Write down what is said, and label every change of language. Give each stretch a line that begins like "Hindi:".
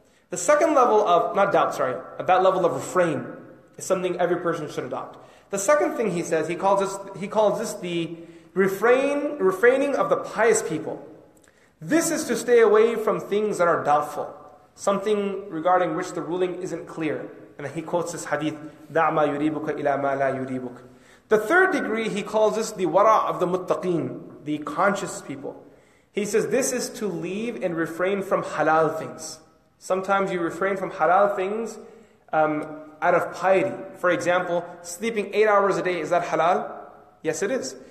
English: The second level of, not doubt, sorry, that level of refrain is something every person should adopt. The second thing he says, he calls this the refraining of the pious people. This is to stay away from things that are doubtful, something regarding which the ruling isn't clear. And he quotes this hadith,
Arabic: دَعْمَا يُرِيبُكَ إِلَى مَا لَا يُرِيبُكَ.
English: The third degree, he calls this the wara of the muttaqeen, the conscious people. He says this is to leave and refrain from halal things. Sometimes you refrain from halal things out of piety. For example, sleeping 8 hours a day, is that halal? Yes, it is.